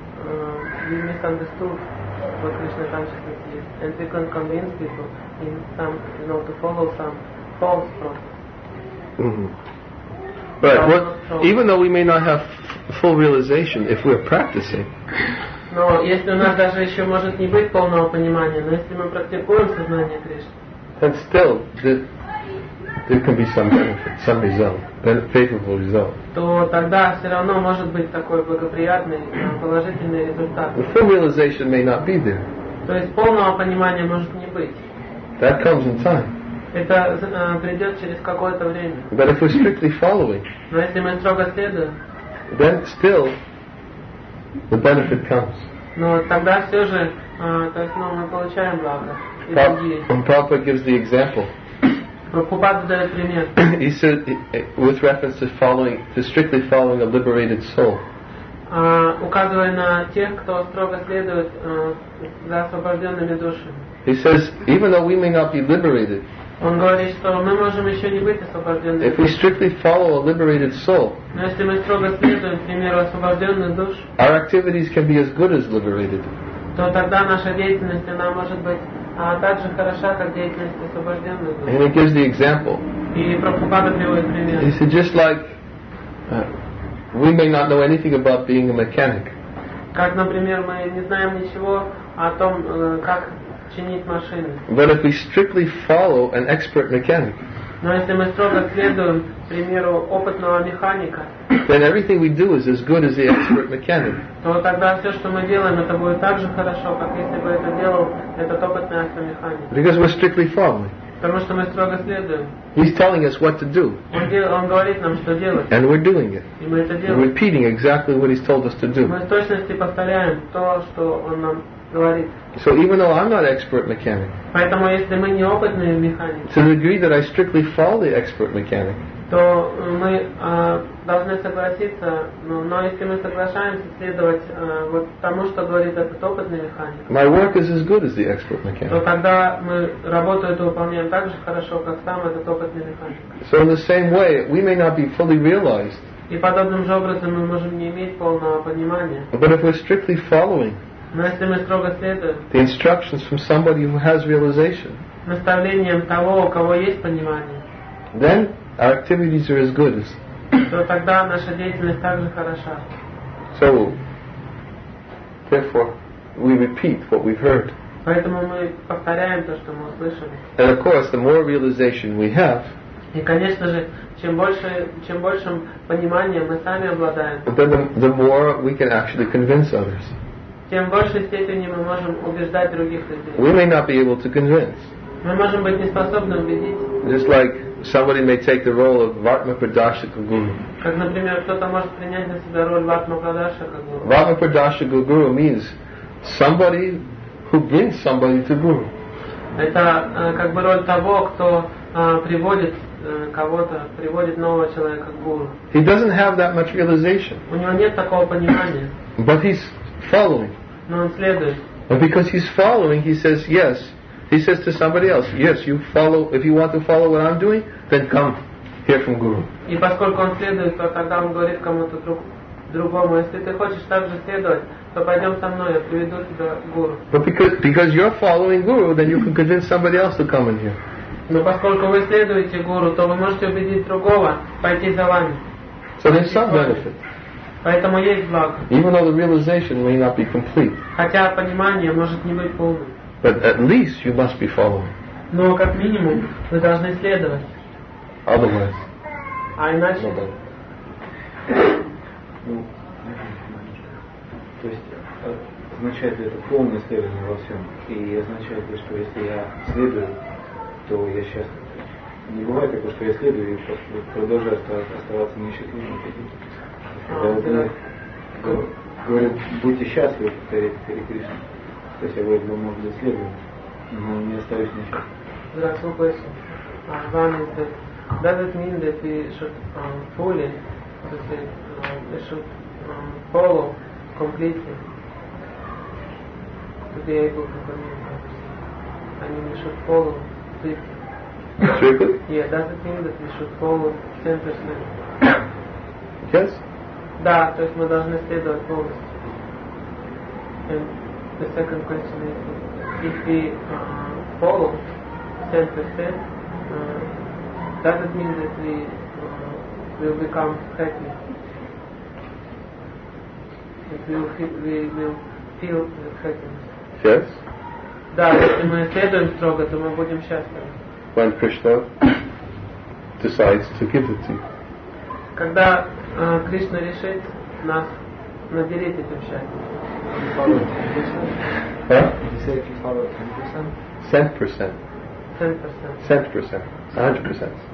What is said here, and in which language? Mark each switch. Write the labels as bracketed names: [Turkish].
[English] we misunderstood what Krishna consciousness is, and we can convince people in some, you know, to follow some false process. Mm-hmm. Right. Well, even though we may not have full realization, if we're practicing. [Russian] Но если у нас даже еще может не быть полного понимания, но если мы практикуем сознание Кришны. [English] And still, there can be some benefit, some result, favorable result. [Russian] То тогда все равно может быть такой благоприятный, положительный результат. [English] The full realization may not be there. [Russian] То есть полного понимания может не быть. [English] That comes in time. [Russian] Это придет через какое-то время. [English] But if we're strictly following. [Russian] Но если мы строго следуем. [English] Then still, the benefit comes. [Russian] Но тогда все же, то есть, мы получаем благо. [English] And Prabhupada gives the example. [Russian] Прабхупада дает пример. [English] He said, with reference to following, to strictly following a liberated soul. [Russian] Указывая на тех, кто строго следует за освобожденными душами. [English] He says, even though we may not be liberated. [Russian] Он говорит, что мы можем еще не быть освобожденными. [English] If we strictly follow a liberated soul. [Russian] Но если мы строго следуем, к примеру, освобожденную душу. [English] Our activities can be as good as liberated. [Russian] То тогда наша деятельность, она может быть также хороша, как деятельность освобожденной души. [English] And he gives the example. [Russian] И Прабхупада приводит пример. [English] He said, just like we may not know anything about being a mechanic. [Russian] Как, например, мы не знаем ничего о том, как чинить машины. [English] But if we strictly follow an expert mechanic. [Russian] Но если мы строго следуем, к примеру, опытного механика. [English] Then everything we do is as good as the expert mechanic. [Russian] То тогда все, что мы делаем, это будет так же хорошо, как если бы это делал этот опытный автомеханик. [English] Because we're strictly following. [Russian] Потому что мы строго следуем. [English] He's telling us what to do. [Russian] Он говорит нам, что делать. [English] And we're doing it. [Russian] И мы это делаем. [English] We're repeating exactly what he's told us to do. [Russian] Мы с точностью повторяем то, что он нам говорит. [English] So even though I'm not expert mechanic, [Russian] поэтому если мы не опытные механики, [English] to the degree that I strictly follow the expert mechanic, [Russian] то мы должны согласиться, но если мы соглашаемся следовать вот тому, что говорит этот опытный механик, [English] my work is as good as the expert mechanic. [Russian] То тогда мы работу эту выполняем так же хорошо, как сам этот опытный механик. [English] So in the same way, we may not be fully realized. [Russian] И подобным же образом мы можем не иметь полного понимания. [English] But if we're strictly following. [Russian] Но если мы строго следуем. [English] The instructions from somebody who has realization. [Russian] Наставлением того, у кого есть понимание. [English] Then our activities are as good as. [Russian] То тогда наша деятельность также хороша. [English] So, therefore, we repeat what we've heard. [Russian] Поэтому мы повторяем то, что мы услышали. [English] And of course, the more realization we have. [Russian] И конечно же, чем большим пониманием мы сами обладаем. [English] Then the more we can actually convince others. [Russian] Тем в большей степени мы можем убеждать других людей. [English] We may not be able to convince. [Russian] Мы можем быть не способны убедить. [English] Just like somebody may take the role of Vatma Pradashika Guru. [Russian] Как, например, кто-то может принять на себя роль Vatma Pradashika Guru. [English] Vatma Pradashika Guru means somebody who brings somebody to Guru. [Russian] Это как бы роль того, кто приводит кого-то, приводит нового человека к Гуру. [English] He doesn't have that much realization. [Russian] У него нет такого понимания. [English] But he's following. [Russian] Но он следует. [English] And because he's following, he says yes. He says to somebody else, yes, you follow. If you want to follow what I'm doing, then come hear from Guru. [Russian] И поскольку он следует, то тогда он говорит кому-то другому, если ты хочешь также следовать, то пойдем со мной, я приведу тебя к Гуру. [English] But because you're following Guru, then you can convince somebody else to come and hear. [Russian] Но поскольку вы следуете Гуру, то вы можете убедить другого пойти за вами. [English] So there's some benefit. [Russian] Поэтому есть благо. [English] Even though the realization may not be complete. [Russian] Хотя понимание может не быть полным. [English] But at least you must be following. [Russian] Но как минимум вы должны следовать. [English] Otherwise. [Russian] А иначе. То есть означает ли это полное следование во всем? И означает ли, что если я следую, то я счастлив? Не бывает такого, что я следую и продолжаю оставаться несчастливым. Говорят, будьте счастливы, Харе Кришна. То есть я говорю, вы можете следовать, но не остаюсь ничего. Здравствуй, Бэйсон. Вам это... [English] Does it mean that we should fully, to say, we should follow completely to be able to communicate? I mean, we should follow strictly. Strictly? Yeah, does it mean that we should follow 100%? Yes. [Russian] Да, то есть мы должны следовать полностью. [English] question. The second question is, if we follow 10%, does it mean that we will become happy? That we will feel the happiness? Yes. [Russian] Да, если мы следуем строго, то мы будем счастливы. [English] When Krishna decides to give it to you. [Russian] Когда Кришна решит нас наделить этим счастьем. 100%. 100%.